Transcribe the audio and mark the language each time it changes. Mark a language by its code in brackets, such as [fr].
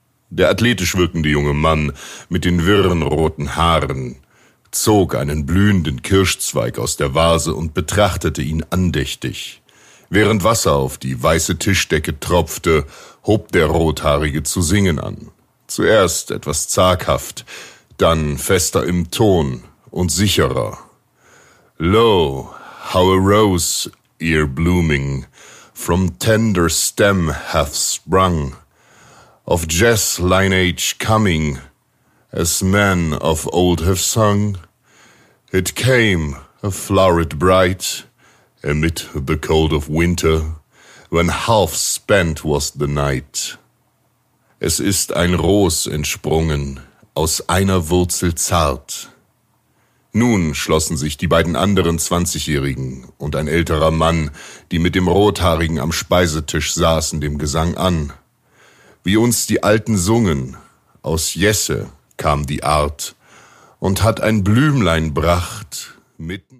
[de] Der athletisch wirkende junge Mann mit den wirren roten Haaren zog einen blühenden Kirschzweig aus der Vase und betrachtete ihn andächtig. Während Wasser auf die weiße Tischdecke tropfte, hob der Rothaarige zu singen an. Zuerst etwas zaghaft, dann fester im Ton und sicherer. [en] Lo, how a rose, ear blooming, from tender stem hath sprung, of Jess lineage coming, as men of old have sung. It came, a floweret bright, amid the cold of winter, when half spent was the night. [de] Es ist ein Ros entsprungen, aus einer Wurzel zart. Nun schlossen sich die beiden anderen 20-Jährigen und ein älterer Mann, die mit dem Rothaarigen am Speisetisch saßen, dem Gesang an. Wie uns die Alten sungen, aus Jesse kam die Art, und hat ein Blümlein bracht, mitten